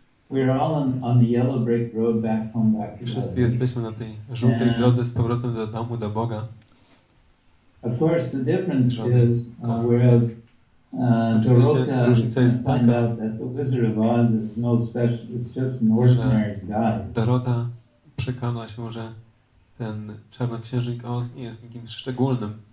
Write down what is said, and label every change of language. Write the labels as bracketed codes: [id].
[en] We're all on the yellow brick road back home back to God. [pl] Wszyscy jesteśmy na tej żółtej drodze z powrotem do domu, do Boga. [en] Of course, the difference is, whereas Dorota [pl] jest taka, [en] that the Wizard of Oz is no special, it's just an ordinary guy. [pl] Dorota przekonała się, że ten czarnoksiężnik Oz nie jest nikim szczególnym.